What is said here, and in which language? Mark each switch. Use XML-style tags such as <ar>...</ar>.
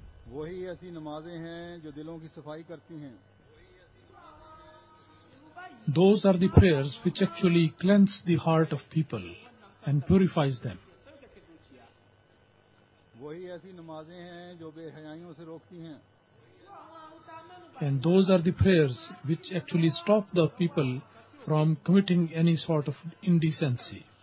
<ur>وہی ایسی نمازیں ہیں جو دلوں کی صفائی کرتی ہیں</ur> <en>Those are the prayers which actually cleanse the heart of people and purifies them</en> <ur>وہی ایسی نمازیں ہیں جو بے حیائیوں سے روکتی ہیں</ur> <en>And those are the prayers which actually stop the people from committing any sort of indecency</en>